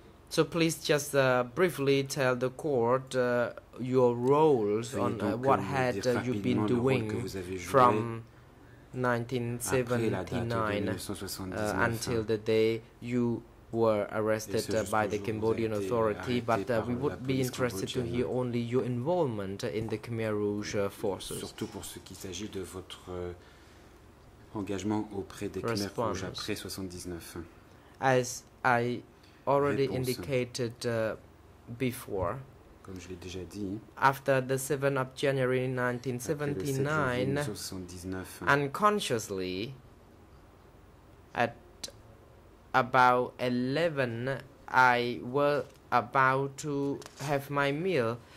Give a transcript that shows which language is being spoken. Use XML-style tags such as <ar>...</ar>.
<en>So please just briefly tell the court your roles on what had you been doing from 1979 until the day you were arrested by the Cambodian authority, but we would be interested to hear only your involvement in the Khmer Rouge forces.</en> <fr>Surtout pour ce qu'il s'agit de votre engagement auprès des Khmer Rouge après 79.</fr> <en>As I already indicated before,</en> <fr>comme je l'ai déjà dit,</fr> <en>after the 7th of January 1979, unconsciously, at about 11, I was about to have my meal.</en>